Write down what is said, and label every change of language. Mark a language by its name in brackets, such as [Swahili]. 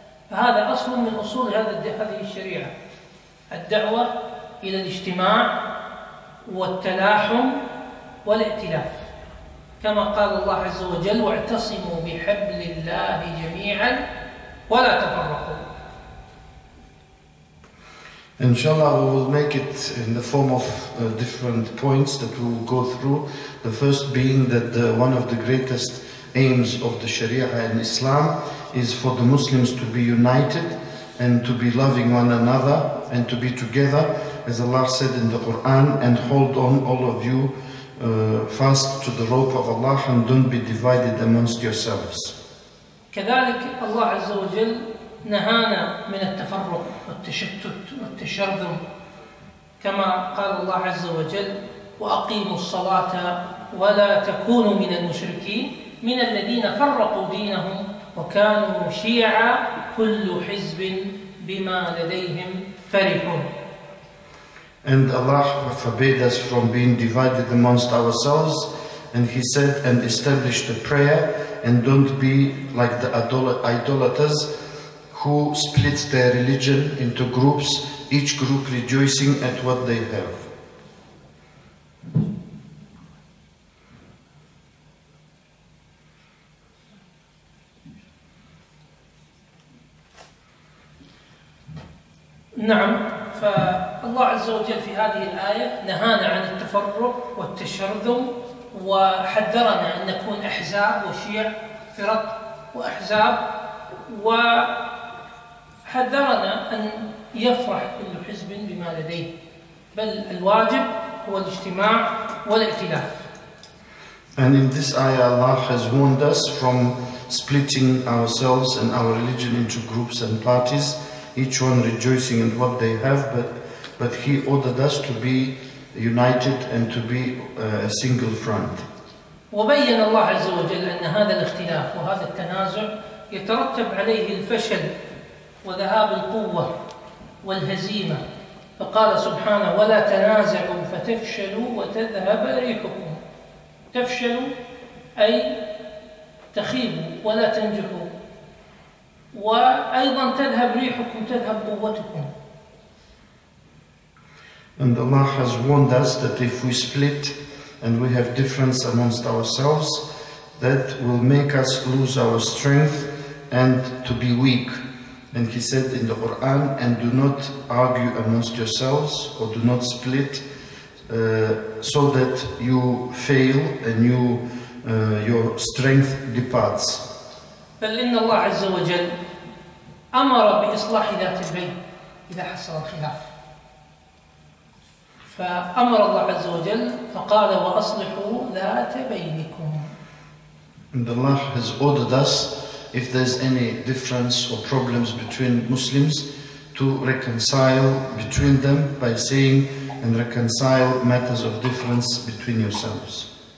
[Arabic] فهذا أصل من أصول هذه الشريعة, الدعوة إلى الاجتماع والتلاحم والائتلاف, كما قال الله عز وجل: واعتصموا بحبل الله جميعا ولا تفرقوا. [English] Inshallah, we will make it in the form of different points that we will go through. The first being that one of the greatest aims of the Sharia in Islam is for the Muslims to be united and to be loving one another and to be together, as Allah said in the Quran, and hold on, all of you, fast to the rope of Allah, and don't be divided amongst yourselves. [Arabic] كذلك الله عز وجل نهانا من التفرق والتشتت والتشرذم, كما قال الله عز وجل: وأقيموا الصلاة ولا تكونوا من المشركين من الذين فرقوا دينهم وكانوا شيعا كل حزب بما لديهم فرحون. [English] And Allah forbade us from being divided amongst ourselves, and He said, and establish the prayer, and don't be like the idolaters who split their religion into groups, each group rejoicing at what they have. [Arabic] نعم, فالله عز وجل في هذه الآية نهانا عن التفرق والتشرذم, وحذرنا أن نكون أحزاب وشيع, فرق وأحزاب, و حذرنا أن يفرح كل حزب بما لديه, بل الواجب هو الاجتماع والائتلاف. [English] And in this ayah, Allah has warned us from splitting ourselves and our religion into groups and parties, each one rejoicing in what they have, but He ordered us to be united and to be a single front. [Arabic] وبين الله عز وجل أن هذا الاختلاف وهذا التنازع يترتب عليه الفشل وذهاب القوة والهزيمة, فقال سبحانه: ولا تنازعوا فتفشلوا وتذهب ريحكم. تفشلوا أي تخيبوا ولا تنجحوا, وأيضا تذهب ريحكم, تذهب قوتكم. [English] And Allah has warned us that if we split and we have difference amongst ourselves, that will make us lose our strength and to be weak. And He said in the Quran, and do not argue amongst yourselves, or do not split, so that you fail and you your strength departs. [Arabic] بل إن الله عز وجل أمر بإصلاح ذات البين إذا حصل الخلاف. فأمر الله عز وجل فقال: وأصلحوا ذات بينكم. [English] And Allah has ordered us, if there's any difference or problems between Muslims, to reconcile between them by saying, and reconcile matters of difference between yourselves.